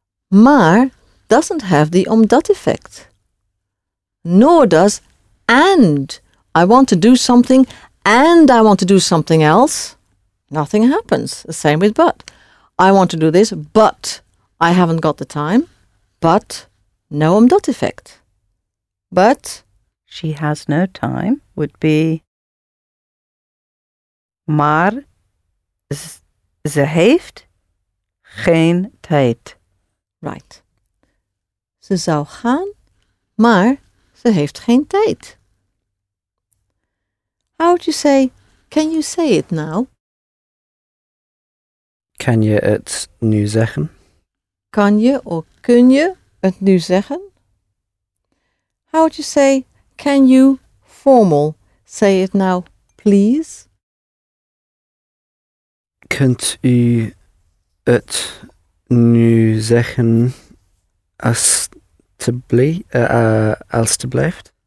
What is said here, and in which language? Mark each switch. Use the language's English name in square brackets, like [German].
[English] Maar doesn't have the omdat effect. Nor does and. I want to do something and I want to do something else. Nothing happens. The same with but. I want to do this, but I haven't got the time, but no omdat effect. But she has no time would be [Dutch] maar ze heeft geen tijd. [English] Right. [Dutch] Ze zou gaan, maar ze heeft geen tijd. [English] How would you say, can you say it now? [Dutch] Kan je het nu zeggen? Kan je or kun je het nu zeggen? [English] How would you say, can you, formal, say it now, please? [Dutch] Kunt u het nu zeggen, alstublieft?